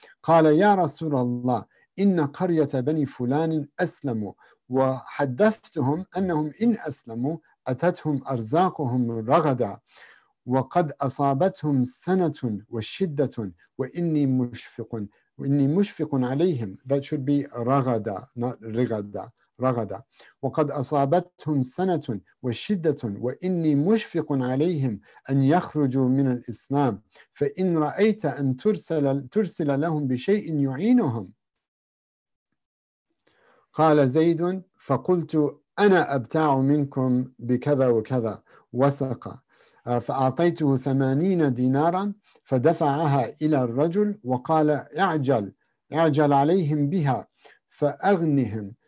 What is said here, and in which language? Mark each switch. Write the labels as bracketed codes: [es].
[ar] قال يا رسول الله إن قرية بني فلان أسلموا وحدثتهم أنهم إن أسلموا أتتهم أرزاقهم رغدا وقد أصابتهم سنة وشدة وإني مشفق عليهم. [en] That should be رغدا not رغدا رغدا. [ar] وقد أصابتهم سنة وشدة وإني مشفق عليهم أن يخرجوا من الإسلام فإن رأيت أن ترسل لهم بشيء يعينهم. قال زيد فقلت أنا أبتاع منكم بكذا وكذا وسقا فأعطيته 80 دينارا فدفعها إلى الرجل وقال اعجل عليهم بها فأغنهم.